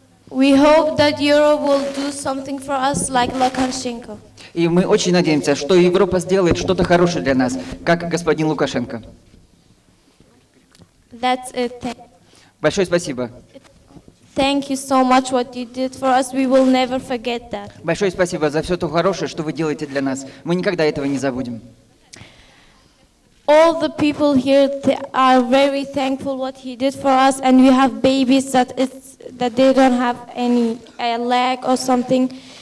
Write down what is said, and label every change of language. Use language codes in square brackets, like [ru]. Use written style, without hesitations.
[en] We hope that Europe will do something for us like Lukashenko. [ru] И мы очень надеемся, что Европа сделает что-то хорошее для нас, как господин Лукашенко. [en] That's it. [ru] Большое спасибо. [en] Thank you so much what you did for us. We will never forget that. [ru] Большое спасибо за все то хорошее, что вы делаете для нас. Мы никогда этого не забудем. [en] All the people here are very thankful what he did for us, and we have babies that they don't have any leg or something.